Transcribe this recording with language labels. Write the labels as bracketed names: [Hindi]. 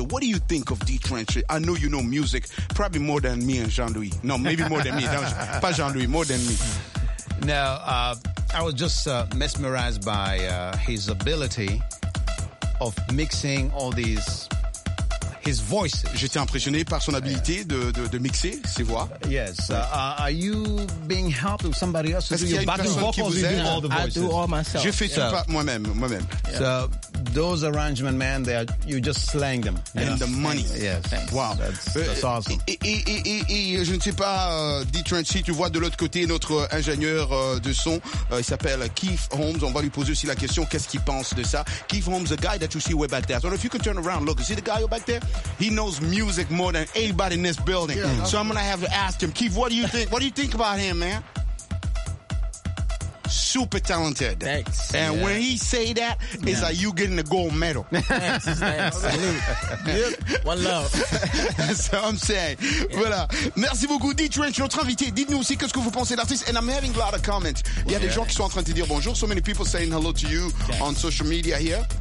[English] What do you think of Day Trenton? I know you know music. Probably more than me and Jean-Louis. No, maybe more than me. [French] Non, pas Jean-Louis, [English] more than me. Now, I was just mesmerized by his ability of mixing all these, his voices. [French] J'étais impressionné par son habilité de mixer ses voix. [English] Yes. Are you being helped with somebody else to do your backing vocals? You do all the voices. I do all myself. [French] Je fais tout moi-même. [English] So those arrangements, man, they are, you just slang them. Yes. And the money. Yes. Wow. That's awesome. [French] Et je ne sais pas, D-Trenchy, tu vois de l'autre côté notre ingénieur de son. Il s'appelle Keith Holmes. On va lui poser aussi la question, qu'est-ce qu'il pense de ça? [English] Keith Holmes, the guy that you see way back there. So if you could turn around, look, see the guy back there? He knows music more than anybody in this building. Yeah, mm-hmm. So I'm going to have to ask him, Keith, what do you think? What do you think about him, man? Super talented. Thanks. And yeah, when he say that, it's like you getting a gold medal. Thanks. Salute. Yep. One love. That's what I'm saying. Yeah. [French] Voilà. Merci beaucoup, D-Trench, notre invité. Dites-nous aussi qu'est-ce que vous pensez de l'artiste. [English] And I'm having a lot of comments. [French] Il y a des gens qui sont en train de dire bonjour. [English] So many people saying hello to you on social media here.